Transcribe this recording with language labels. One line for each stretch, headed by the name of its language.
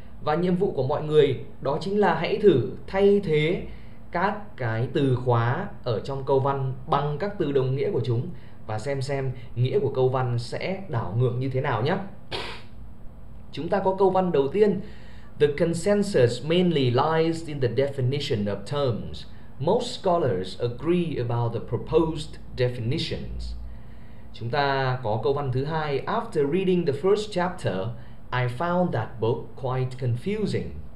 Vietnamese: Và nhiệm vụ của mọi người đó chính là hãy thử thay thế các cái từ khóa ở trong câu văn bằng các từ đồng nghĩa của chúng và xem nghĩa của câu văn sẽ đảo ngược như thế nào nhé. Chúng ta có câu văn đầu tiên.
English: The consensus mainly lies in the definition of terms. Most scholars agree about the proposed definitions.
Vietnamese: Chúng ta có câu văn thứ hai.
English: After reading the first chapter, I found that book quite confusing.